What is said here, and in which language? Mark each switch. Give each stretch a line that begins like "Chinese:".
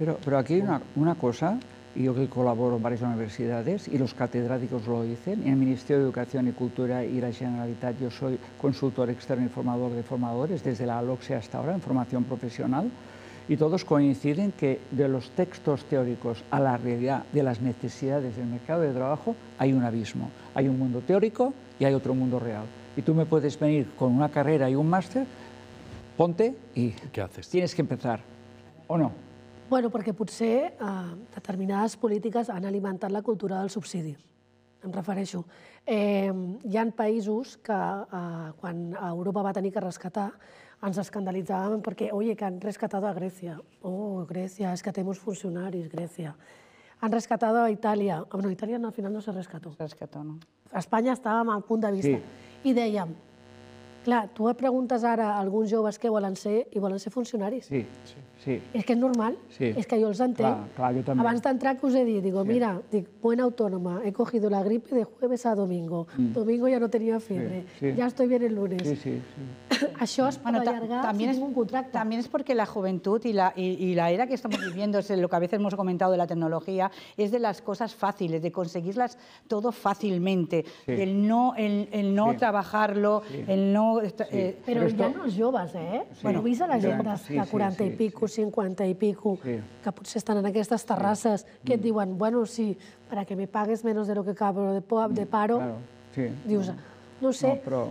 Spanish: Pero aquí hay una cosa, y yo que colaboro en varias universidades, y los catedráticos lo dicen, en el Ministerio de Educación y Cultura y la Generalitat, yo soy consultor externo y formador de formadores, desde la ALOCSE hasta ahora, en formación profesional, y todos coinciden que de los textos teóricos a la realidad de las necesidades del mercado de trabajo hay un abismo. Hay un mundo teórico y hay otro mundo real. Y tú me puedes venir con una carrera y un máster, ponte y... ¿Qué haces? Tienes que empezar, ¿o no?
Catalan: Bueno, perquè potser determinades polítiques han alimentat la cultura del subsidi, em refereixo. Hi ha països que, quan Europa va tenir que rescatar, ens escandalitzàvem perquè, oye, que han rescatat a Grècia. Oh, Grècia, és que té molts funcionaris, Grècia. Han rescatat a Itàlia.
Spanish: Bueno, Itàlia al final no se rescató. Se rescató, no.
Catalan: A Espanya estàvem al punt de vista. Sí. I dèiem, clar, tu et preguntes ara a alguns joves què volen ser i volen ser funcionaris. Sí, sí. Sí. És que és normal, és que jo els entenc. Clar, clar, jo també. Abans d'entrar, que us he dit,
Spanish: digo, mira, dic, buena autònoma, he cogido la gripe de jueves a domingo. Domingo ya no tenía fiebre, ya estoy bien el lunes. Sí, sí, sí.
Catalan: Això es per allargar si tinc un contracte. També és perquè la joventut i l'era que
Spanish: estamos viviendo, és el que a veces hemos comentado de la tecnología, és de las cosas fáciles, de conseguirlas todo fácilmente, el no trabajarlo, el no...
Catalan: Però ja no els joves, eh? Bueno, veus a la gent de 40 i pico, 50 i pico, que potser estan en aquestes terrasses, que et diuen, bueno, sí,
Spanish: para que me pagues menos de lo que cabro de paro,
Catalan: dius, no ho sé.